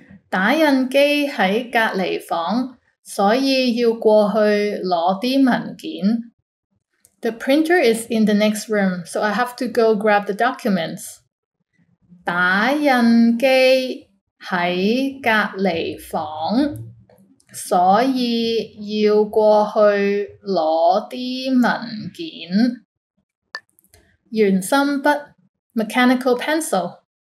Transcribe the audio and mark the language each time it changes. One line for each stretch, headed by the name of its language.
Cantonese: 打印机喺隔篱房，所以要过去攞啲文件。
English: The printer is in the next room, so I have to go grab the documents.
Cantonese: 打印机喺隔篱房，所以要过去攞啲文件。
English: 圆心笔 ，mechanical pencil，